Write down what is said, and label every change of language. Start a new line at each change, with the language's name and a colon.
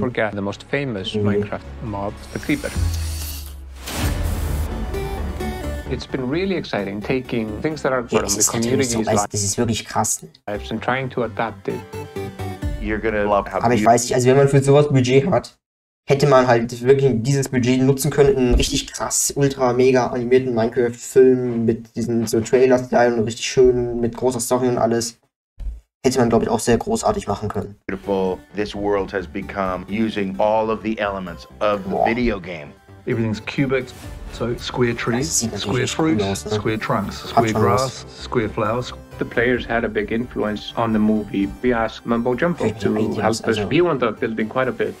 English: We shouldn't forget the most famous Minecraft-Mob, the Creeper. It's been really exciting taking things that are from the community's life.
German: Das ist wirklich krass.
English: I've been trying to adapt it. You're gonna love how.
German: Aber ich weiß nicht, also wenn man für sowas Budget hat, hätte man halt wirklich dieses Budget nutzen können, einen richtig krass, ultra, mega animierten Minecraft-Film mit diesen so Trailer-Style und richtig schön mit großer Story und alles. Hätte man, glaube ich, auch sehr großartig machen können.
English: Beautiful. This world has become using all of the elements of the video game. Everything's cubic, so square trees, square fruits, cool, ne? Square trunks, square grass, square flowers. The players had a big influence on the movie. We asked Mumbo Jumbo to help us. He wound up building quite a bit.